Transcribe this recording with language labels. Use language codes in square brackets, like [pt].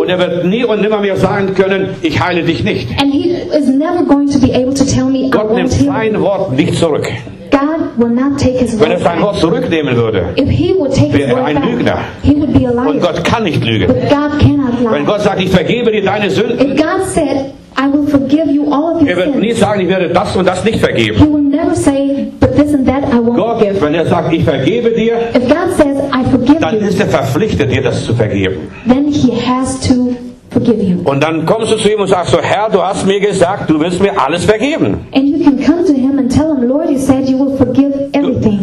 [de] Und er wird nie und nimmer mehr sagen können, ich heile dich nicht. Gott nimmt sein Wort nicht zurück. [en] God will not take his [de] wenn er sein Wort zurücknehmen würde, wäre er ein Lügner. [en] He would be a liar. [de] Und Gott kann nicht lügen. [en] But God cannot lie. [de] Wenn Gott sagt, ich vergebe dir deine Sünden, [en] God said, I will forgive you all of your [de] er wird [en] sins. [de] Nie sagen, ich werde das und das nicht vergeben. [en] He will never say, but this and that I won't [de] Gott, [en] give. [de] Wenn er sagt, ich vergebe dir, [en] if God says, I forgive [de] dann [en] you, [de] ist er verpflichtet, dir das zu vergeben. [en] Then he has to forgive you. [de] Und dann kommst du zu ihm und sagst, so, Herr, du hast mir gesagt, du wirst mir alles vergeben. [en] And you can come to him and tell him, Lord, you said you will forgive everything.